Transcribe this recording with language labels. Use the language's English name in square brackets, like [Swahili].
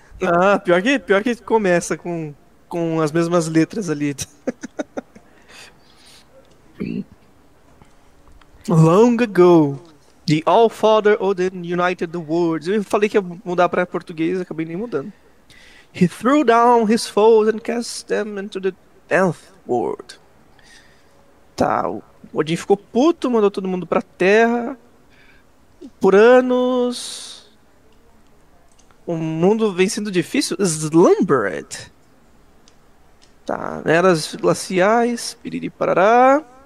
[Portuguese] Ah, pior que começa com as mesmas letras ali. [English] Long ago, the All Father Odin united the worlds. [Portuguese] Eu falei que ia mudar para português, acabei nem mudando. [English] He threw down his foes and cast them into the 10th world. [Portuguese] Tá, o Odin ficou puto, mandou todo mundo pra Terra. Por anos, o mundo vem sendo difícil. [English] Slumbered. [Portuguese] Tá, eras glaciais, piriri parará.